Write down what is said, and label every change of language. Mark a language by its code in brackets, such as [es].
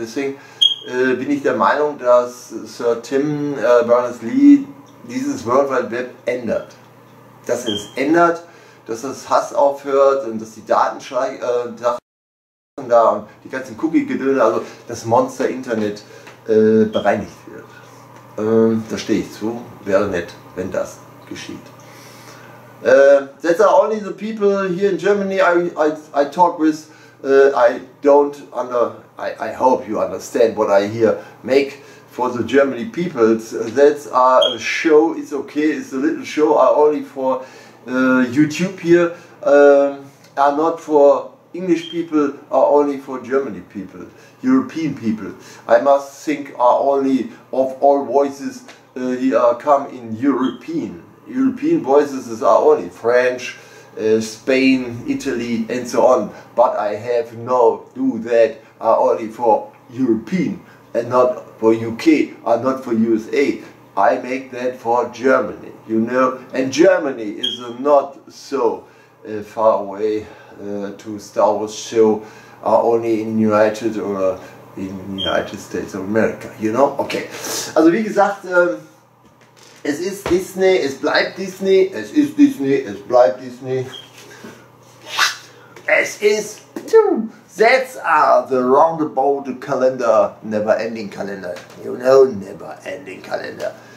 [de] Und deswegen bin ich der Meinung, dass Sir Tim Berners-Lee dieses World Wide Web ändert. Dass es ändert, dass das Hass aufhört und dass die Datenschleichen da und die ganzen Cookie-Gedöne, also das Monster-Internet bereinigt wird. Da stehe ich zu. Wäre nett, wenn das geschieht. [en] That's are only the people here in Germany I talk with. I hope you understand what I here make for the German people, that's a show, it's okay, it's a little show, only for YouTube here, are not for English people, are only for Germany people, European people. I must think are only of all voices here come in European. European voices are only French, Spain, Italy, and so on. But I have no do that, are only for European and not for UK, are not for USA. I make that for Germany, you know. And Germany is not so far away to Star Wars show, only in United or in United States of America, you know. [de] Okay, also wie gesagt, es ist Disney, es bleibt Disney, es ist Disney, es bleibt Disney. Es ist... [en] That's the roundabout calendar, never-ending calendar, you know, never-ending calendar.